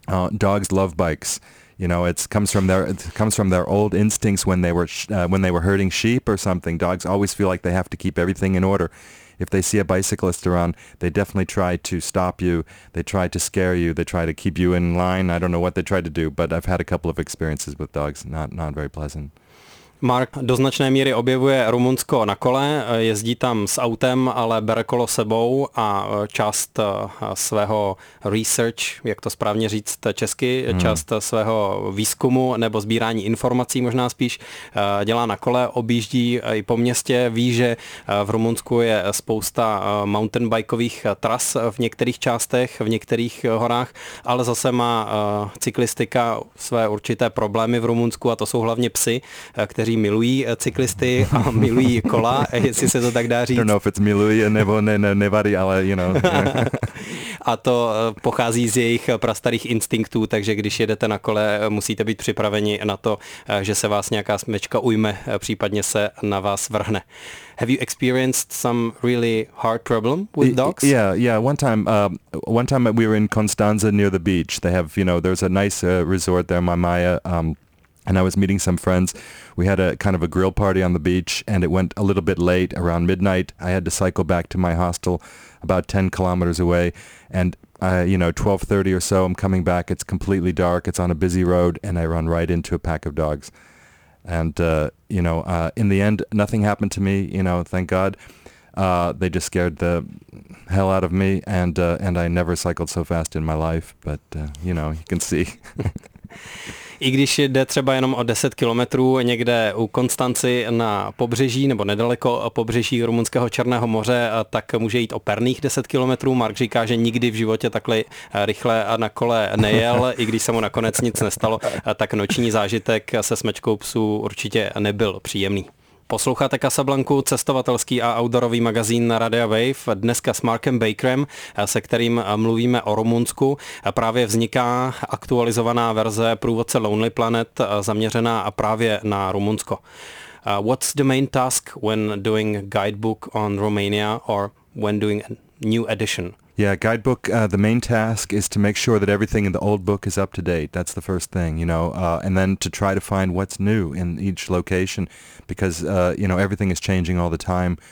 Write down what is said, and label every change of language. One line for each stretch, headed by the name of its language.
English: Dogs love bikes. You know, it comes from their old instincts when they were herding sheep or something. Dogs always feel like they have to keep everything in order. If they see a bicyclist around, they definitely try to stop you. They try to scare you. They try to keep you in line. I don't know what they try to do, but I've had a couple of experiences with dogs. Not very pleasant.
Czech: Mark do značné míry objevuje Rumunsko na kole, jezdí tam s autem, ale bere kolo sebou a část svého research, jak to správně říct česky, část svého výzkumu nebo sbírání informací možná spíš, dělá na kole, objíždí i po městě, ví, že v Rumunsku je spousta mountainbikeových tras v některých částech, v některých horách, ale zase má cyklistika své určité problémy v Rumunsku a to jsou hlavně psy, kteří milují cyklisty a milují kola, jestli se to tak dá říct.
English: I don't know if it's
Czech: milují nebo nevadí, ale
English: you know.
Czech: A to pochází z jejich prastarých instinktů, takže když jedete na kole, musíte být připraveni na to, že se vás nějaká smečka ujme, případně se na vás vrhne.
English: Have you experienced some really hard problem with dogs? Yeah. One time we were in Constanza near the beach. They have, you know, there's a nice resort there, Mamaya, and I was meeting some friends. We had a kind of a grill party on the beach, and it went a little bit late, around midnight. I had to cycle back to my hostel about 10 kilometers away, and, 12:30 or so, I'm coming back. It's completely dark. It's on a busy road, and I run right into a pack of dogs. And, in the end, nothing happened to me, you know, thank God. They just scared the hell out of me, and I never cycled so fast in my life, but, you know, you can see.
Czech: I když jde třeba jenom o 10 kilometrů někde u Konstanci na pobřeží nebo nedaleko pobřeží Rumunského Černého moře, tak může jít o perných 10 kilometrů. Mark říká, že nikdy v životě takhle rychle na kole nejel, i když se mu nakonec nic nestalo, tak noční zážitek se smečkou psů určitě nebyl příjemný. Posloucháte Casablanku, cestovatelský a outdoorový magazín na Radio Wave, dneska s Markem Bakerem, se kterým mluvíme o Rumunsku. Právě vzniká aktualizovaná verze průvodce Lonely Planet zaměřená právě na Rumunsko.
English: What's the main task when doing guidebook on Romania or when doing a new edition? Yeah, guidebook, the main task is to make sure that everything in the old book is up to date. That's the first thing, you know, and then to try to find what's new in each location because, you know, everything is changing all the time.